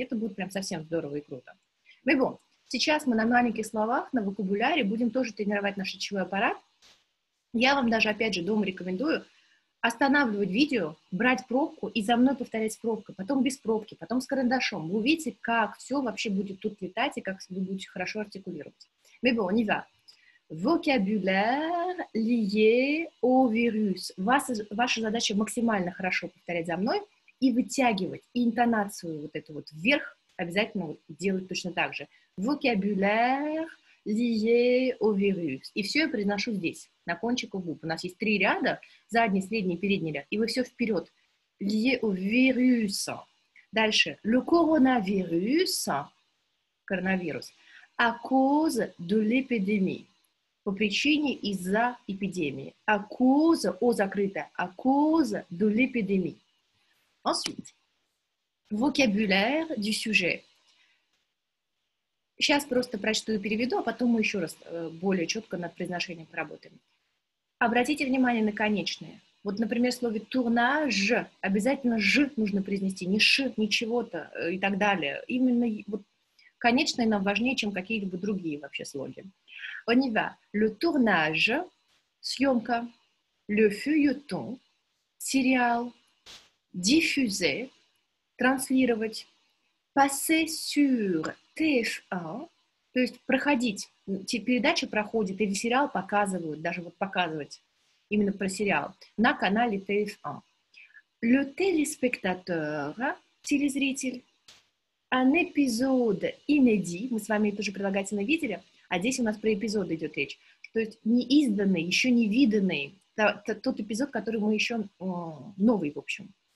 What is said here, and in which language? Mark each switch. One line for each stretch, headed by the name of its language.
Russian: Это будет прям совсем здорово и круто. Либо сейчас мы на маленьких словах, на вокабуляре будем тоже тренировать наш речевой аппарат. Я вам даже, опять же, дома рекомендую останавливать видео, брать пробку и за мной повторять с пробкой, потом без пробки, потом с карандашом. Вы увидите, как все вообще будет тут летать и как вы будете хорошо артикулировать.
French: Mais bon, on y va. Vocabulaire lié au virus.
Russian: Ваша задача максимально хорошо повторять за мной и вытягивать и интонацию вот эту вот вверх обязательно делать точно так же.
French: Vocabulaire lié au virus.
Russian: И все я произношу здесь, на кончику губ. У нас есть 3 ряда, задний, средний, передний ряд. И вы все вперед.
French: Lié au virus.
Russian: Дальше.
French: Le coronavirus.
Russian: Коронавирус.
French: À cause de l'épidémie.
Russian: По причине из-за эпидемии.
French: À cause,
Russian: о закрытое.
French: À cause de l'épidémie. Ensuite. Vocabulaire du sujet.
Russian: Сейчас просто прочту и переведу, а потом мы еще раз более четко над произношением поработаем. Обратите внимание на конечные. Вот, например, в слове «турнаж» обязательно «ж» нужно произнести, не «ш», не «чего-то» и так далее. Именно вот, конечные нам важнее, чем какие-либо другие вообще слоги.
French: On y va. Le tournage –
Russian: съемка.
French: Le feuilleton –
Russian: сериал.
French: Diffuser
Russian: – транслировать.
French: Passer sur
Russian: – TF1, то есть проходить, передача проходит или сериал показывают, даже вот показывать именно про сериал, на канале TF1.
French: Le téléspectateur,
Russian: телезритель,
French: un épisode inédit,
Russian: мы с вами это уже прилагательно видели, а здесь у нас про эпизоды идет речь, то есть неизданный, еще не виданный, тот эпизод, который мы еще, новый, в общем.